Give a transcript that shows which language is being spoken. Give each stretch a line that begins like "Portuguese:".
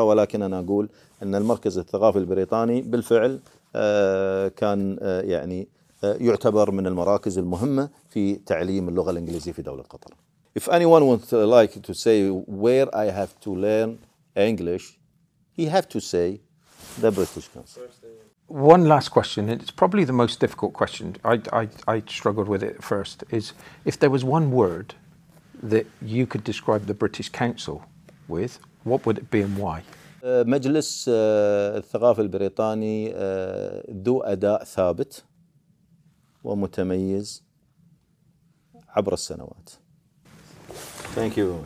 Arabic: ولكن أنا أقول أن المركز الثقافي البريطاني بالفعل كان يعني يعتبر من المراكز المهمة في تعليم اللغة الإنجليزية في دولة قطر.
English: If anyone would like to say where I have to learn English, he have to say the British Council. One last question, and it's probably the most difficult question. I struggled with it at first. Is if there was one word that you could describe the British Council with, what would it be and why?
Arabic: مجلس الثقافة البريطاني ذو أداء ثابت ومتميز عبر السنوات.
English: Thank you.